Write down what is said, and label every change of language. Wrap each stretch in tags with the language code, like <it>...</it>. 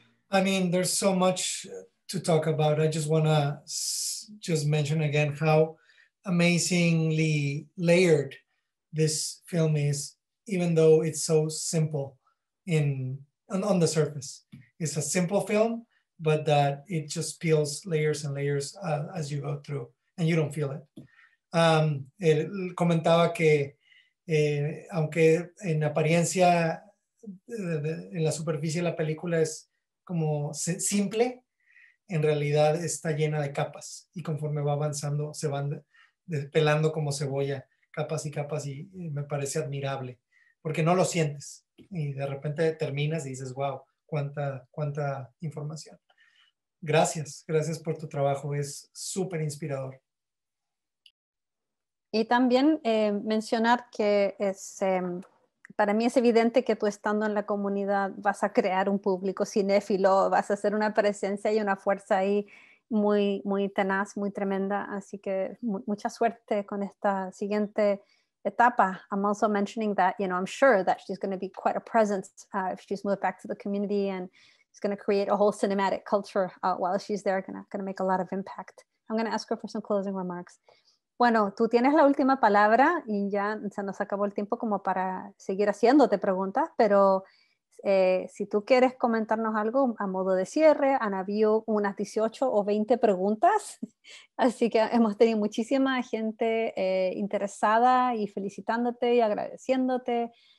<en>I mean, there's so much to talk about. I just wanna just mention again how amazingly layered this film is, even though it's so simple on the surface. It's a simple film, but that it just peels layers and layers as you go through, and you don't feel it.</en> <es>Él comentaba que aunque en apariencia, en la superficie de la película es como simple, en realidad está llena de capas, y conforme va avanzando se van pelando como cebolla, capas y capas, y me parece admirable, porque no lo sientes, y de repente terminas y dices, wow, cuánta información. Gracias por tu trabajo, es súper inspirador. Y también mencionar que para mí es evidente que tú, estando en la comunidad, vas a crear un público cinéfilo, vas a ser una presencia y una fuerza ahí muy, muy tenaz, muy tremenda. Así que mucha suerte con esta siguiente etapa.</es> <en>I'm also mentioning that, you know, I'm sure that she's going to be quite a presence if she's moved back to the community, and she's going to create a whole cinematic culture while she's there, going to make a lot of impact. I'm going to ask her for some closing remarks.</en> <es>Bueno, tú tienes la última palabra, y ya se nos acabó el tiempo como para seguir haciéndote preguntas, pero si tú quieres comentarnos algo a modo de cierre, han habido unas 18 o 20 preguntas, así que hemos tenido muchísima gente interesada y felicitándote y agradeciéndote.</es>